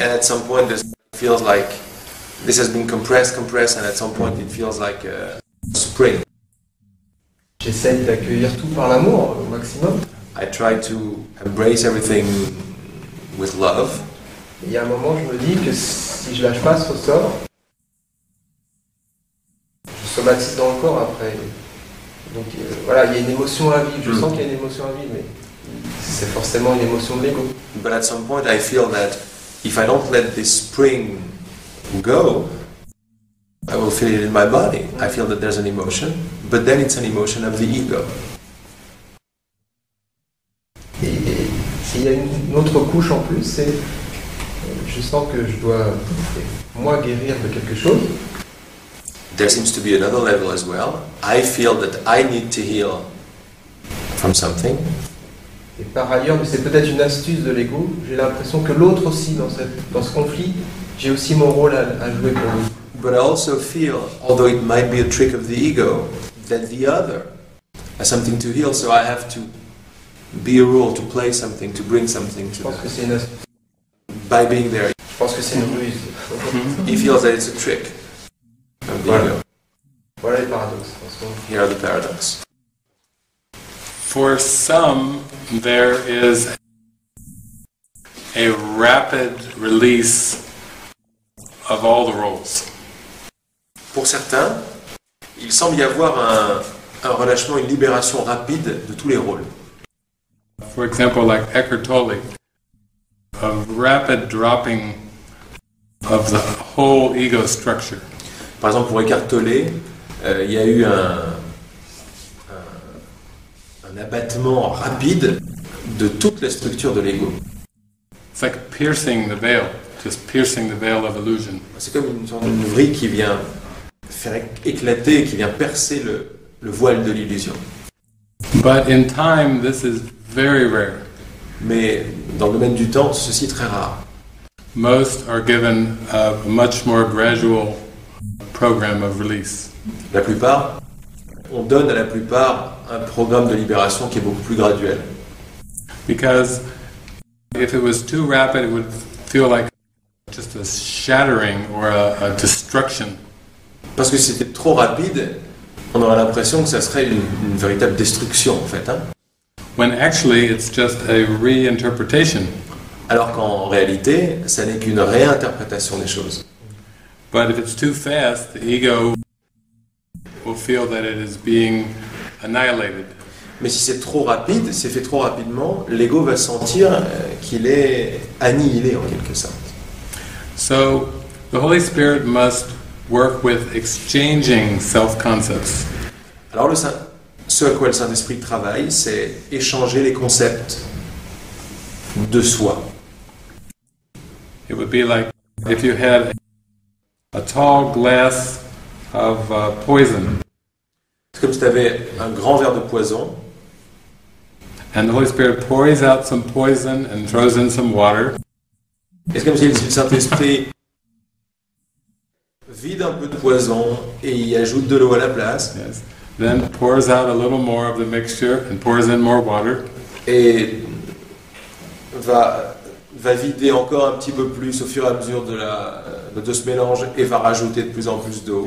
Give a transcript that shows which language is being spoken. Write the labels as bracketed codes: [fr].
[en] And at some point, this feels like this has been compressed, and at some point, it feels like a spring. [fr] J'essaie d'accueillir tout par l'amour au maximum. [en] I try to embrace everything with love. [fr] Il y a un moment, je me dis que si je lâche pas ce ressort, je somatise dans le corps après. Donc voilà, il y a une émotion à vivre. Je sens qu'il y a une émotion à vivre, mais c'est forcément une émotion de l'ego. [en] But at some point, I feel that if I don't let this spring go, I will feel it in my body. I feel that there's an emotion, but then it's an emotion of the ego. [fr] Et il y a une autre couche en plus, c'est je sens que je dois moi guérir de quelque chose. [en] There seems to be another level as well. I feel that I need to heal from something. [fr] Et par ailleurs, mais c'est peut-être une astuce de l'ego, j'ai l'impression que l'autre aussi dans ce conflit, j'ai aussi mon rôle à jouer pour lui. [en] But I also feel, although it might be a trick of the ego, that the other has something to heal, so I have to be a role, to play something, to bring something to [fr] that. Que c'est une... [en] By being there. [fr] Je pense que c'est une ruse. [en] He feels that it's a trick of the ego. [fr] Voilà les paradoxes. [en] Here are the paradoxes. For some, there is a rapid release of all the roles. [fr] Pour certains, il semble y avoir un relâchement, une libération rapide de tous les rôles. [en] For example, like Eckhart Tolle, a rapid dropping of the whole ego structure. [fr] Par exemple, pour Eckhart Tolle, il y a eu un abattement rapide de toute la structure de l'ego. [en] It's like piercing the veil. Just piercing the veil of illusion. [fr] C'est comme une sorte de vrille qui vient faire éclater, qui vient percer le voile de l'illusion. [en] But in time, this is very rare. [fr] Mais dans le domaine du temps, ceci est très rare. [en] Most are given a much more gradual program of release. [fr] La plupart, on donne à la plupart un programme de libération qui est beaucoup plus graduel. [en] Because if it was too rapid, it would feel like just a shattering or a destruction. [fr] Parce que si c'était trop rapide, on aurait l'impression que ça serait une véritable destruction, en fait. Hein? [en] When actually it's just a reinterpretation. [fr] Alors qu'en réalité, ça n'est qu'une réinterprétation des choses. [en] But if it's too fast, the ego will feel that it is being annihilated. [fr] Mais si c'est trop rapide, c'est fait trop rapidement, l'ego va sentir qu'il est annihilé, en quelque sorte. [en] So, the Holy Spirit must work with exchanging self-concepts. [fr] Alors, ce à quoi le Saint-Esprit travaille, c'est échanger les concepts de soi. [en] It would be like if you had a tall glass of poison. [fr] C'est comme si tu avais un grand verre de poison. [en] And the Holy Spirit pours out some poison and throws in some water. [fr] Est-ce comme si le Saint-Esprit vide un peu de poison et y ajoute de l'eau à la place. [en] Yes. Then pours out a little more of the mixture and pours in more water. [fr] Et va vider encore un petit peu plus au fur et à mesure de ce mélange et va rajouter de plus en plus d'eau.